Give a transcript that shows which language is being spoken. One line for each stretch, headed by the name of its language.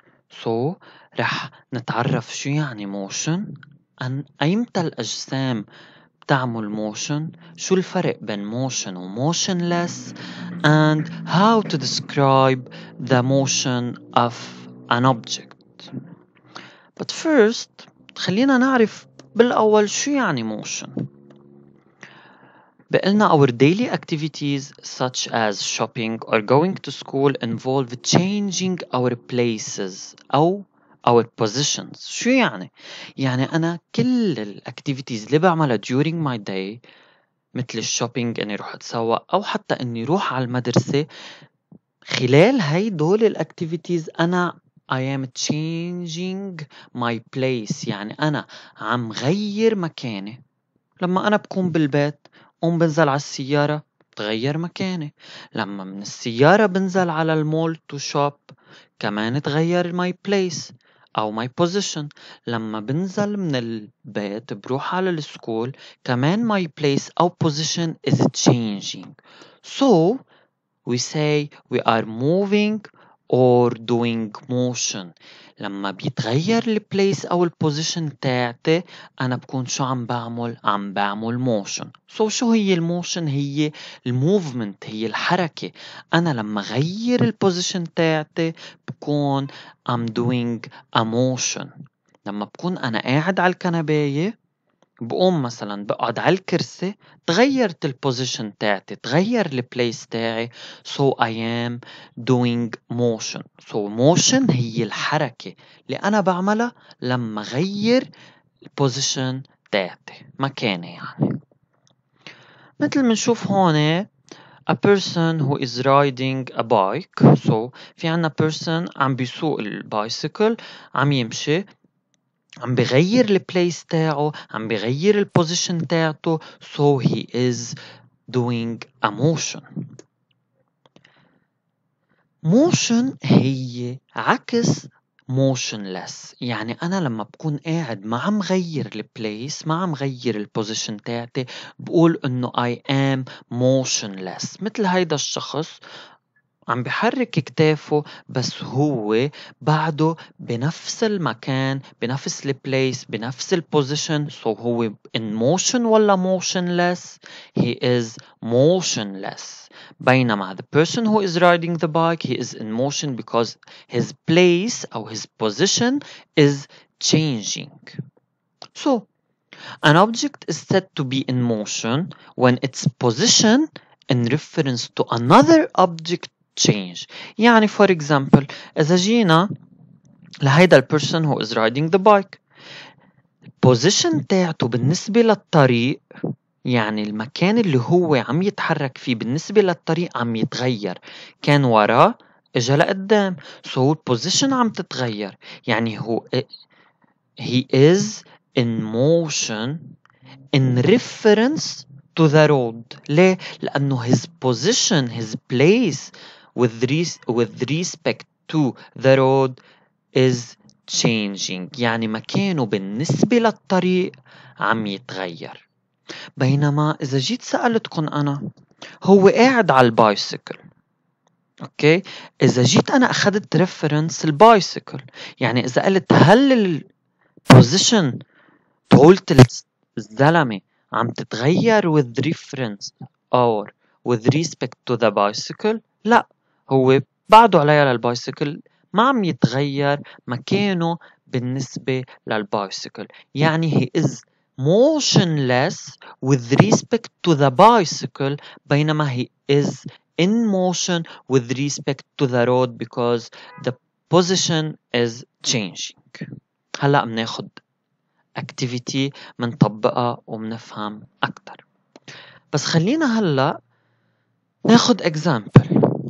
English: So,
Arabic: رح نتعرف شو يعني
English: motion, and
Arabic: أيمتى الأجسام تعمل
English: motion,
Arabic: شو الفرق بين
English: motion و motionless, and how to describe the motion of an object.
Arabic: But first, خلينا نعرف بالأول شو يعني motion.
English: بقلنا our daily activities such as shopping or going to school involve changing our places أو our positions.
Arabic: شو يعني؟ يعني أنا كل الأكتيفيتيز اللي بعملها
English: during my day
Arabic: مثل الشوبينج أني روح أتسوق أو حتى أني روح على المدرسة خلال هاي دول الأكتيفيتيز أنا
English: I am changing my place.
Arabic: يعني أنا عم غير مكاني. لما أنا بكون بالبيت قوم بنزل على السيارة تغير مكاني. لما من السيارة بنزل على المول to shop كمان تغير my place أو my position. لما بنزل من البيت بروح على السكول كمان my place أو position is changing.
English: So we say we are moving or doing motion.
Arabic: لما بيتغير ال place أو ال position تاعتي أنا بكون شو عم بعمل؟ عم بعمل motion. So شو هي ال motion؟ هي ال movement, هي الحركة. أنا لما غير ال position تاعتي بكون
English: I'm doing a motion.
Arabic: لما بكون أنا قاعد على الكنباية بقوم مثلا بقعد على الكرسي تغيرت البوزيشن تاعتي تغير البلايس تاعي
English: so I am doing motion.
Arabic: So motion هي الحركة اللي أنا بعملها لما غير البوزيشن تاعتي مكاني. يعني مثل ما نشوف هون
English: a person who is riding a bike.
Arabic: So في عنا person عم بيسوق البايسيكل عم يمشي عم بغير البلايس تاعه عم بغير البوزيشن تاعته
English: so he is doing a motion.
Arabic: motion هي عكس motionless. يعني أنا لما بكون قاعد ما عم غير البلايس ما عم غير البوزيشن تاعتي بقول إنه
English: I am motionless.
Arabic: مثل هيدا الشخص عم بحرك كتافه بس هو بعده بنفس المكان بنفس البلايس بنفس البوزيشن.
English: So هو in motion ولا motionless؟ He is motionless. بينما the person who is riding the bike he is in motion because his place or his position is changing. So an object is said to be in motion when its position in reference to another object change.
Arabic: يعني for example إذا جينا لهيدا ال
English: person who is riding the bike
Arabic: position تاعته بالنسبة للطريق يعني المكان اللي هو عم يتحرك فيه بالنسبة للطريق عم يتغير كان وراء إجا لقدام so position عم تتغير يعني هو
English: he is in motion in reference to the road. ليه؟ لأنه his position his place With respect to the road is changing.
Arabic: يعني مكانه بالنسبة للطريق عم يتغير. بينما إذا جيت سألتكم أنا هو قاعد على البايسيكل. أوكي؟ إذا جيت أنا أخذت reference البايسيكل. يعني إذا قلت هل البوزيشن طولت الزلمة عم تتغير
English: with reference or with respect to the bicycle؟
Arabic: لا. هو بعده علي على البايسيكل ما عم يتغير مكانه بالنسبة للبايسيكل.
English: يعني he is motionless with respect to the bicycle بينما he is in motion with respect to the road because the position is changing.
Arabic: هلأ مناخد activity منطبقها ومنفهم أكتر. بس خلينا هلأ ناخد example.